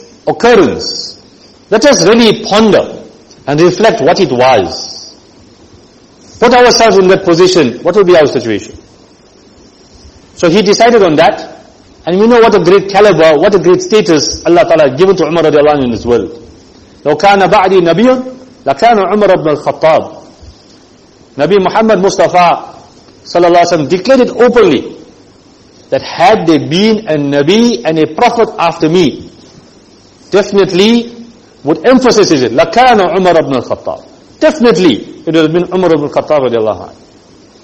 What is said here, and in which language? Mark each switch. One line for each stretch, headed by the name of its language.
English: occurrence, let us really ponder and reflect what it was. Put ourselves in that position, what would be our situation? So he decided on that, and you know what a great caliber, what a great status Allah Ta'ala had given to Umar radiallahu anhu in this world.
Arabic: لو كان بعدي نبي لكان عمر بن الخطاب.
English: Nabi Muhammad Mustafa sallallahu alaihi wasallam declared openly that had there been a Nabi and a Prophet after me, definitely would emphasize it,
Arabic: لَكَانَ عُمَرَ بْنَ الْخَطَّابِ.
English: Definitely, it would have been Umar ibn al-Khattab radiallahu anhu.